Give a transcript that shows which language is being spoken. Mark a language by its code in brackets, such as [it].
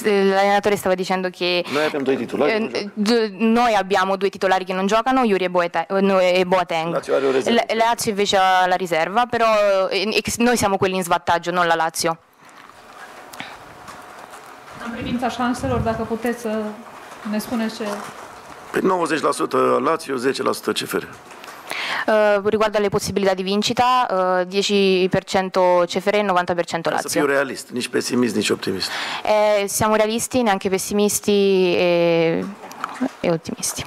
[it] L'allenatore stava dicendo che noi abbiamo due titolari che noi abbiamo due titolari che non giocano, Yuri e Boateng. Lazio invece ha la riserva, però noi siamo quelli in svantaggio, non la Lazio. [ro] In privința șanselor, dacă puteți să ne spuneți ce... 90% Lazio, 10% CFR. [it] Riguardo alle possibilità di vincita, 10% CFR e 90% Lazio. Sono più realista, né pessimista né ottimista. Siamo realisti, neanche pessimisti e ottimisti.